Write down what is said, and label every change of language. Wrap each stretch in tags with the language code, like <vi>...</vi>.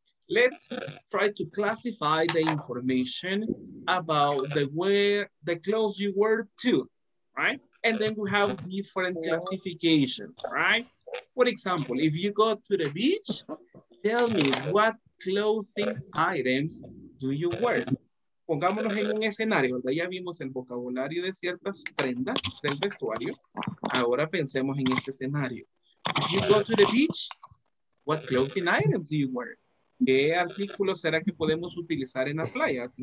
<en>Let's try to classify the information about the where the clothes you wear to, right? And then we have different classifications, right? For example, if you go to the beach, tell me what clothing items do you wear?</en> <es>Pongámonos en un escenario, ¿verdad? Ya vimos el vocabulario de ciertas prendas del vestuario. Ahora pensemos en este escenario.</es> <en>If you go to the beach, what clothing items do you wear?</en> <es>¿Qué artículo será que podemos utilizar en la playa?</es>